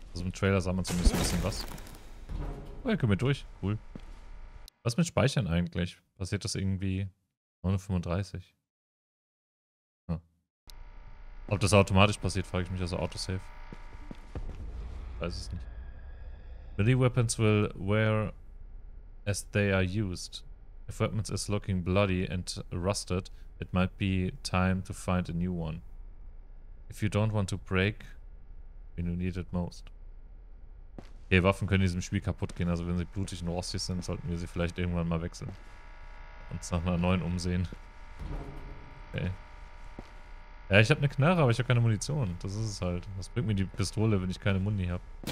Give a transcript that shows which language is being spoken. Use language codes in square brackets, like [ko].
[de] Also im Trailer sah man zumindest ein bisschen was. Oh, hier können wir durch. Cool. Was mit Speichern eigentlich? Passiert das irgendwie 9:35? Hm. Ob das automatisch passiert, frage ich mich, also Autosave. Weiß es nicht. [en] Melee weapons will wear as they are used. If weapons is looking bloody and rusted, it might be time to find a new one. If you don't want to break, when you need it most. [de] Okay, Waffen können in diesem Spiel kaputt gehen, also wenn sie blutig und rostig sind, sollten wir sie vielleicht irgendwann mal wechseln. Uns nach einer neuen umsehen. Okay. Ja, ich habe eine Knarre, aber ich habe keine Munition. Das ist es halt. Was bringt mir die Pistole, wenn ich keine Muni habe?